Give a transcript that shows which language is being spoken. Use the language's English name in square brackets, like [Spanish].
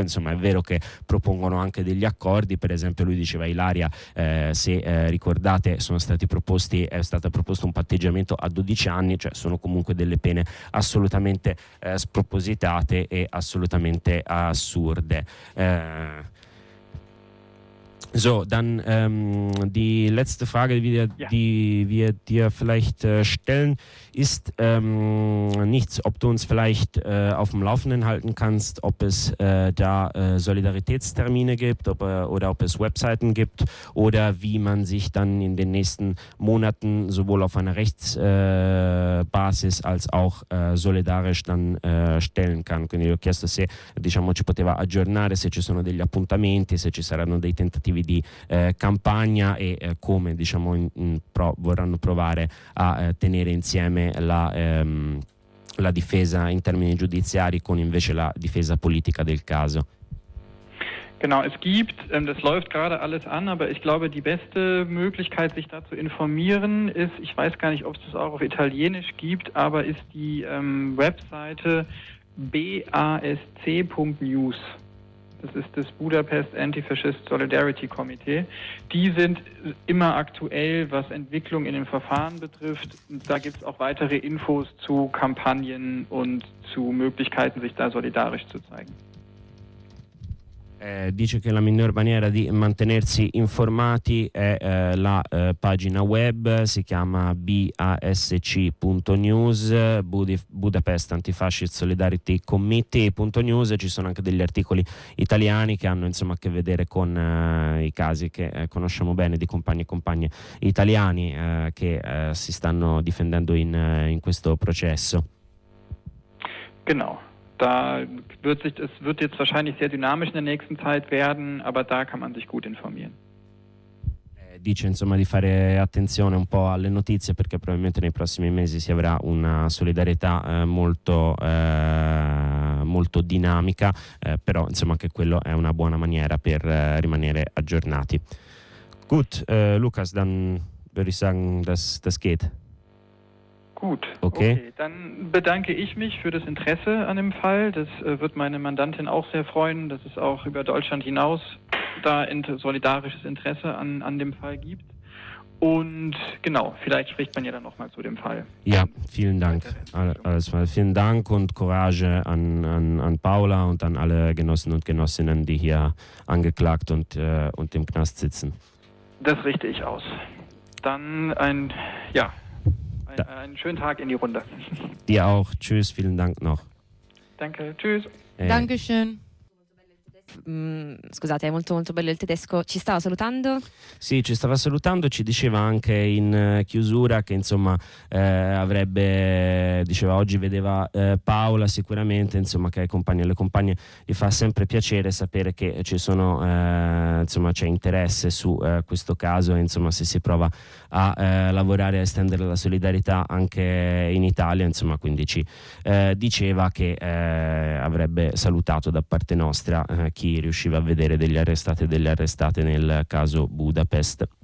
[Italian] Insomma, è vero che propongono anche degli accordi, per esempio lui diceva Ilaria, ricordate, è stato proposto un patteggiamento a 12 anni, cioè sono comunque delle pene assolutamente spropositate e assolutamente assurde. [German] So, dann die letzte Frage, die wir dir vielleicht stellen, ist nichts, ob du uns vielleicht auf dem Laufenden halten kannst, ob es da Solidaritätstermine gibt oder ob es Webseiten gibt oder wie man sich dann in den nächsten Monaten sowohl auf einer Rechtsbasis als auch solidarisch dann stellen kann. [Italian] Quindi ho chiesto se, diciamo, ci poteva aggiornare, se ci sono degli appuntamenti, se ci saranno dei tentativi di campagna e come diciamo vorranno provare a tenere insieme la difesa in termini giudiziari con invece la difesa politica del caso. [German] Genau, es gibt, das läuft gerade alles an, aber ich glaube, die beste Möglichkeit, sich da zu informieren, ist, ich weiß gar nicht, ob es das auch auf Italienisch gibt, aber ist die Webseite basc.news. Das ist das Budapest Antifascist Solidarity Committee. Die sind immer aktuell, was Entwicklung in dem Verfahren betrifft. Da gibt es auch weitere Infos zu Kampagnen und zu Möglichkeiten, sich da solidarisch zu zeigen. [Italian] Dice che la miglior maniera di mantenersi informati è la pagina web, si chiama basc.news, Budapest Antifascist Solidarity Committee.news. Ci sono anche degli articoli italiani che hanno insomma a che vedere con i casi che conosciamo bene di compagni e compagne italiani che si stanno difendendo in questo processo. [German] Genau. Da wird sich, es wird jetzt wahrscheinlich sehr dynamisch in der nächsten Zeit werden, aber da kann man sich gut informieren. [Italian] Dice insomma di fare attenzione un po' alle notizie perché probabilmente nei prossimi mesi si avrà una solidarietà molto molto dinamica, però insomma anche quello è una buona maniera per rimanere aggiornati. [German] Gut, Lukas, dann würde ich sagen, das geht. Gut, okay. Dann bedanke ich mich für das Interesse an dem Fall. Das wird meine Mandantin auch sehr freuen, dass es auch über Deutschland hinaus da solidarisches Interesse an dem Fall gibt. Und genau, vielleicht spricht man ja dann nochmal zu dem Fall. Ja, vielen Dank. Vielen Dank und Courage an Paula und an alle Genossen und Genossinnen, die hier angeklagt und im Knast sitzen. Das richte ich aus. Dann einen schönen Tag in die Runde. Dir auch. Tschüss, vielen Dank noch. Danke, tschüss. Dankeschön. [Italian] Scusate, è molto molto bello il tedesco. Ci stava salutando? Sì, ci stava salutando. Ci diceva anche in chiusura che insomma avrebbe, diceva oggi vedeva Paola sicuramente, insomma che ai compagni e alle compagne gli fa sempre piacere sapere che ci sono insomma c'è interesse su questo caso e insomma se si prova a lavorare a estendere la solidarietà anche in Italia, insomma quindi ci diceva che avrebbe salutato da parte nostra chi riusciva a vedere degli arrestati e delle arrestate nel caso Budapest.